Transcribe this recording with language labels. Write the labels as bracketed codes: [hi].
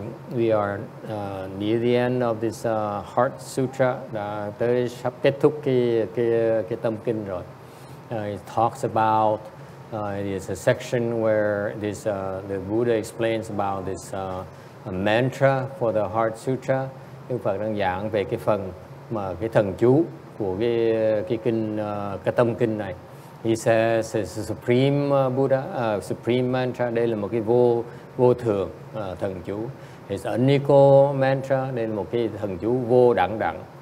[en] We are near the end of this Heart Sutra. [vi] Tới sắp kết thúc cái tâm kinh rồi. [en] It talks about it's a section where this the Buddha explains about this a mantra for the Heart Sutra. [vi] Đức Phật đang giảng về cái phần mà cái thần chú của cái kinh cái tâm kinh này. [en] He says it's a supreme Buddha, supreme mantra. [vi] Đây là một cái vô thường thần chú. [en] It's unequaled mantra. [vi] Đây là một cái thần chú vô đẳng đẳng.